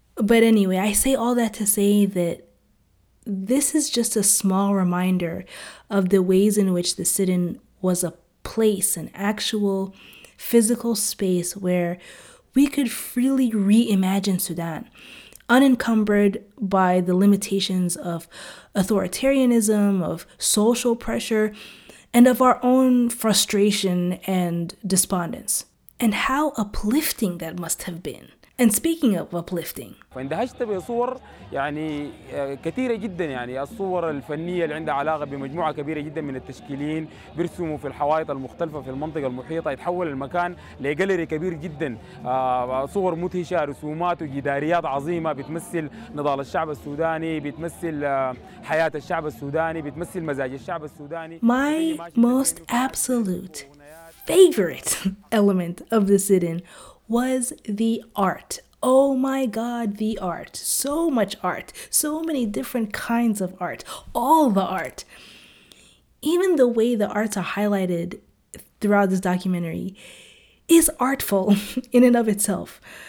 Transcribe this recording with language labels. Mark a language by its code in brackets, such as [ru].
[en] But anyway, I say all that to say that this is just a small reminder of the ways in which the sit-in was a place, an actual physical space where we could freely reimagine Sudan, unencumbered by the limitations of authoritarianism, of social pressure, and of our own frustration and despondence. And how uplifting that must have been. And speaking of uplifting, [ar] فاندهشت بصور يعني كثيرة جدا يعني الصور الفنية اللي عندها علاقة بمجموعة كبيرة جدا من التشكيلين بيرسموا في الحوايط المختلفة في المنطقة المحيطة يتحول المكان لجاليري كبير جدا صور مدهشة رسومات وجداريات عظيمة بتمثل نضال الشعب السوداني بتمثل حياة الشعب السوداني بتمثل مزاج الشعب السوداني. [en] My most absolute favorite element of the sit-in was the art. Oh my God, the art. So much art. So many different kinds of art. All the art. Even the way the arts are highlighted throughout this documentary is artful in and of itself.